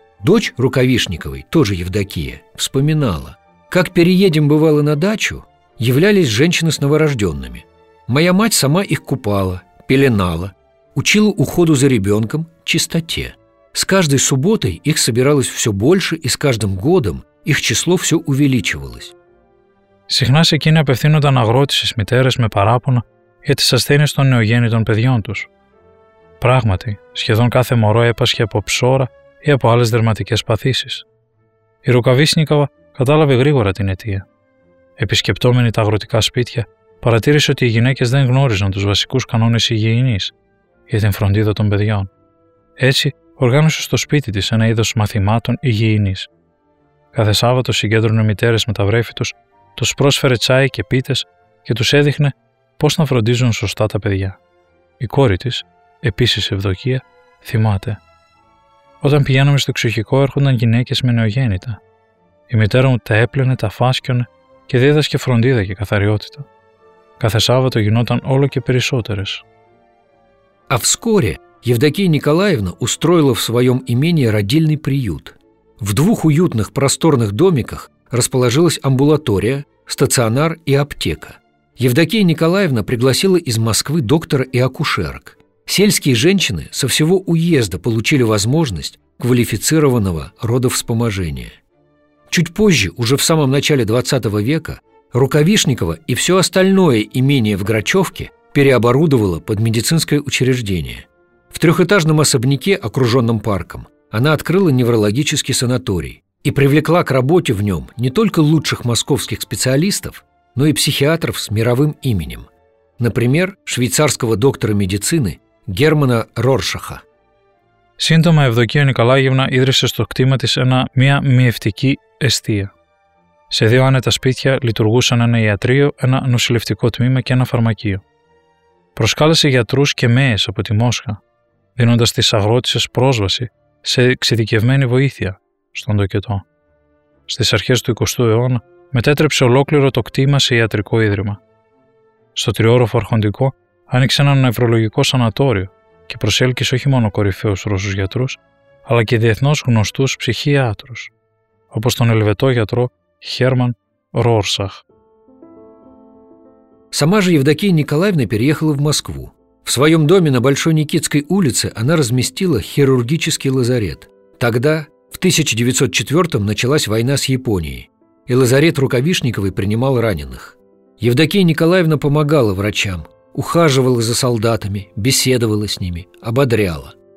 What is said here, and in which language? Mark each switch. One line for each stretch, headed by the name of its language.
Russian: Дочь Рукавишниковой, тоже Евдокия, вспоминала, как переедем бывало на дачу, являлись женщины с новорожденными. Моя мать сама их купала, пеленала, учила уходу за ребенком, чистоте. С каждой субботой их собиралось все больше, и с каждым годом их число все увеличивалось.
Greek: Συχνά σε εκείνη απευθύνονταν αγρότες στις μητέρες με παράπονα για τις ασθένειες των νεογέννητων παιδιών τους. Πράγματι, σχεδόν κάθε μωρό έπασχε από ψώρα ή από άλλες δερματικές παθήσεις. Η Ρουκαβίσνικοβα κατάλαβε γρήγορα την αιτία. Επισκεπτόμενη τα αγροτικά σπίτια, παρατήρησε ότι οι γυναίκες δεν γνώριζαν τους βασικούς κανόνες υγιεινής για την φροντίδα των παιδιών. Έτσι, οργάνωσε στο σπίτι της ένα είδος μαθημάτων υγιεινής. Κάθε Σάββατο συγκέντρωνε μητέρες με τα βρέφη τους. Τους πρόσφερε τσάι και πίτες και τους έδειχνε πώς να φροντίζουν σωστά τα παιδιά. Η κόρη της, επίσης Ευδοκία, θυμάται. Όταν πηγαίναμε στο εξοχικό έρχονταν γυναίκες με νεογέννητα. Η μητέρα μου τα έπλαινε, τα φάσκιονε και δίδασκε φροντίδα και καθαριότητα. Κάθε Σάββατο γινόταν όλο και περισσότερες.
Russian: Αυσκόρε, Ευδοκία Νικολάευνα ουστρόιλα в своем имении родильный приют. В двух уютных просторных домиках расположилась амбулатория, стационар и аптека. Евдокия Николаевна пригласила из Москвы доктора и акушерок. Сельские женщины со всего уезда получили возможность квалифицированного родовспоможения. Чуть позже, уже в самом начале 20 века, Рукавишникова и все остальное имение в Грачевке переоборудовало под медицинское учреждение. В трехэтажном особняке, окруженном парком, она открыла неврологический санаторий и привлекла к работе в нем не только лучших московских специалистов, но и психиатров с мировым именем. Например, швейцарского доктора медицины Германа Роршаха.
Greek: Σύντομα Ευδοκία Νικολάγευνα ίδρυσε στο κτήμα της μια μυευτική εστία. Σε δύο άνετα σπίτια λειτουργούσαν ένα ιατρείο, ένα νοσηλευτικό τμήμα και ένα φαρμακείο. Προσκάλεσε γιατρούς και μαίες από τη Μόσχα, δίνοντας τις αγρότησες πρόσβαση σε εξειδικευμένη βοήθεια στον τοκετό. Στις αρχές του 20ου αιώνα μετέτρεψε ολόκληρο το κτήμα σε ιατρικό ίδρυμα. Στο τριώροφο αρχοντικό άνοιξε ένα νευρολογικό σανατόριο και προσέλκυσε όχι μόνο κορυφαίους Ρώσους γιατρούς, αλλά και διεθνώς γνωστούς ψυχίατρους, όπως τον ελβετό γιατρό Χέρμαν Ρόρσαχ.
Russian: Сама же Евдокия Николаевна переехала в Москву. В своем доме на Большой Никитской улице она разместила хирургический лазарет. Тогда, в 1904-м, началась война с Японией, и лазарет Рукавишниковой принимал раненых. Евдокия Николаевна помогала врачам, ухаживала за солдатами, беседовала с ними, ободряла.